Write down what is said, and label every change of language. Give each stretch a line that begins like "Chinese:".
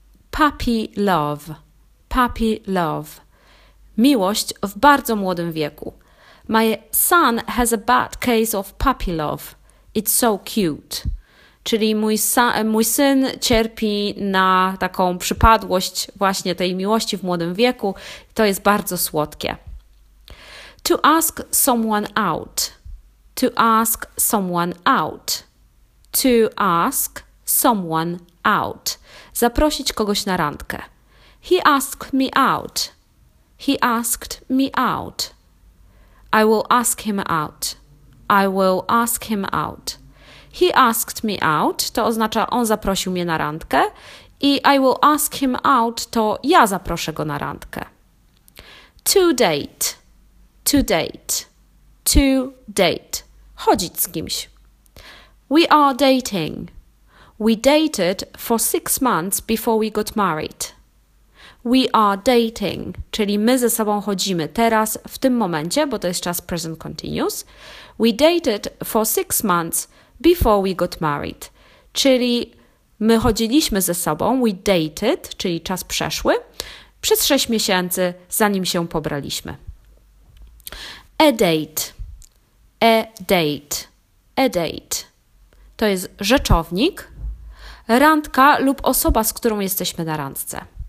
Polish: Puppy love. Puppy love. Miłość w bardzo młodym wieku.
English: My son has a bad case of puppy love. It's so cute.
Polish: Czyli mój syn cierpi na taką przypadłość właśnie tej miłości w młodym wieku. To jest bardzo słodkie.
English: To ask someone out. To ask someone out. To ask someone out.
Polish: Zaprosić kogoś na randkę.
English: He asked me out. He asked me out. I will ask him out. I will ask him out. He asked me out,
Polish: to oznacza on zaprosił mnie na randkę.
English: I I will ask him out,
Polish: to ja zaproszę go na randkę.
English: To date. To date. To date.
Polish: Chodzić z kimś.
English: We are dating. We dated for 6 months before we got married. We are dating,
Polish: czyli my ze sobą chodzimy teraz, w tym momencie, bo to jest czas present continuous.
English: We dated for 6 months before we got married.
Polish: Czyli my chodziliśmy ze sobą, we dated, czyli czas przeszły, przez 6 miesięcy, zanim się pobraliśmy.
English: A date. A date. A date.
Polish: To jest rzeczownik, randka lub osoba, z którą jesteśmy na randce.